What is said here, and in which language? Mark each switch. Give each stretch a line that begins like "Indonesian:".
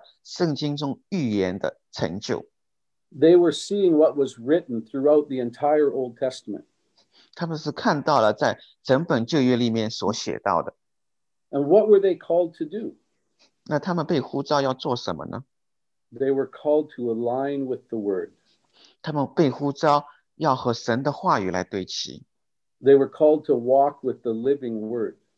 Chinese: 他们是在他们的眼前看到了圣经中预言的成就。
English: They were seeing what was written throughout the entire Old Testament.
Chinese: 他们是看到了在整本旧约里面所写到的。
English: And what were they called to do?
Chinese: 那他们被呼召要做什么呢？
English: They were called to align with the Word.
Chinese: 他们被呼召要和神的话语来对齐。
English: They were called to walk with the living Word.